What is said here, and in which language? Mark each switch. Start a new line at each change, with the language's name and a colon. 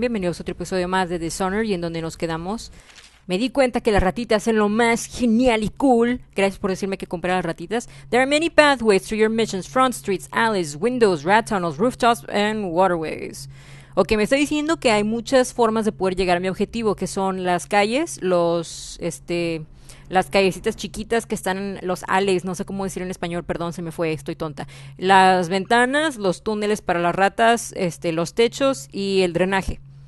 Spanish: Bienvenidos a otro episodio más de Dishonored y en donde nos quedamos. Me di cuenta que las ratitas hacen lo más genial y cool. Gracias por decirme que compré las ratitas.
English: There are many pathways to your missions: front streets, alleys, windows, rat tunnels, rooftops, and waterways.
Spanish: Ok, me está diciendo que hay muchas formas de poder llegar a mi objetivo, que son las calles, las callecitas chiquitas que están en los alleys, no sé cómo decir en español, perdón, se me fue, estoy tonta. Las ventanas, los túneles para las ratas, los techos y el drenaje.